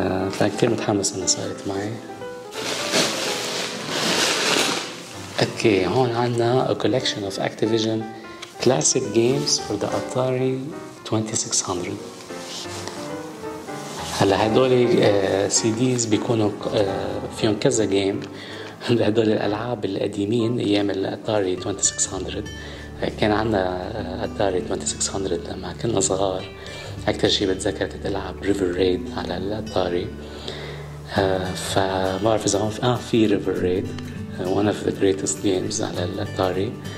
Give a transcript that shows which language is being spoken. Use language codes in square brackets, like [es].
[ar] فكتير متحمس انه صارت معي. اوكي هون عنا [en] a collection of Activision classic games for the Atari 2600. [ar] هلا هدول سي ديز بيكونوا فيهم كذا جيم. هدول الألعاب القديمين أيام الأتاري 2600. كان عنا أتاري 2600 لما كنا صغار. أكثر شيء بتذكر كنت ألعب ريفر ريد على الأتاري. فما أعرف إذا هون في ريفر ريد [en] one of the greatest games [ar] على الأتاري.